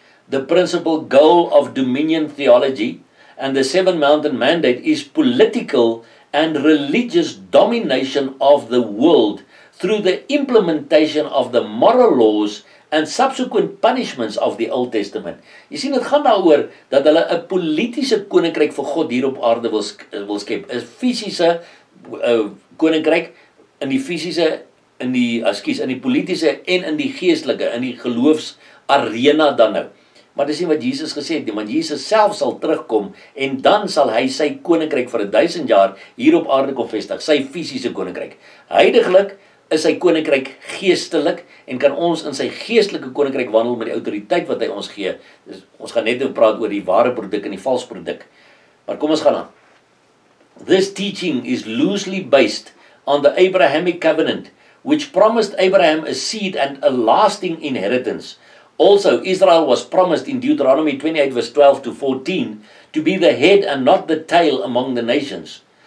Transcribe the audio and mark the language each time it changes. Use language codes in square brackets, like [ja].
[en] The principal goal of dominion theology and the Seven Mountain Mandate is political and religious domination of the world through the implementation of the moral laws and subsequent punishments of the Old Testament. [af] Jy sien, dit gaan daaroor dat hulle 'n politieke koninkryk vir God hier op aarde wil skep, 'n fisiese koninkryk in die fisiese, in die politieke en in die geestelike, in die geloofsarena dan nou. Maar dis nie wat Jesus gesê het nie, want Jesus self sal terugkom en dan sal hy sy koninkryk vir 1000 jaar hier op aarde kom vestig, sy fisiese koninkryk. Heidiglik is sy koninkryk geestelik en kan ons in sy geestelike koninkryk wandel met die autoriteit wat hy ons gee. Dus ons gaan net nou praat oor die ware produk en die vals produk. Maar kom ons gaan aan. [en] This teaching is loosely based on the Abrahamic covenant, which promised Abraham a seed and a lasting inheritance. Also, Israel was promised in Deuteronomy 28 verse 12 to 14 to be the head and not the tail among the nations.